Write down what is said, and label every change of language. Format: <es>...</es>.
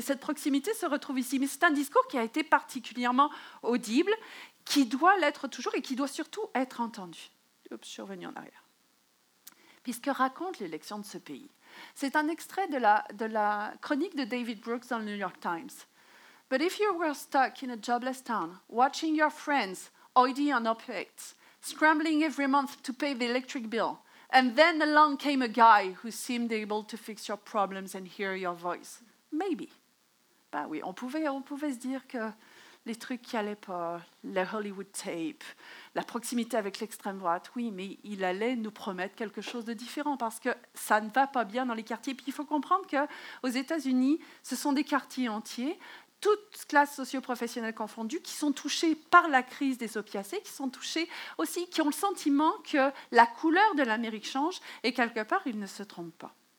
<fr>Cette proximité se retrouve ici. Mais c'est un discours qui a été particulièrement audible, qui doit l'être toujours et qui doit surtout être entendu. Oups, je suis revenue en arrière. Puis ce que raconte l'élection de ce pays, c'est un extrait de la chronique de David Brooks dans le New York Times.</fr> <en>« But if you were stuck in a jobless town, watching your friends, oily and opaque, scrambling every month to pay the electric bill, and then along came a guy who seemed able to fix your problems and hear your voice. Maybe.</en> <fr>» Ben oui, on pouvait se dire que les trucs qui allaient pas, le Hollywood tape, la proximité avec l'extrême droite, oui, mais il allait nous promettre quelque chose de différent parce que ça ne va pas bien dans les quartiers. Puis il faut comprendre qu'aux États-Unis, ce sont des quartiers entiers, toutes classes socioprofessionnelles confondues, qui sont touchées par la crise des opiacés, qui sont touchées aussi, qui ont le sentiment que la couleur de l'Amérique change et quelque part, ils ne se trompent pas.</fr>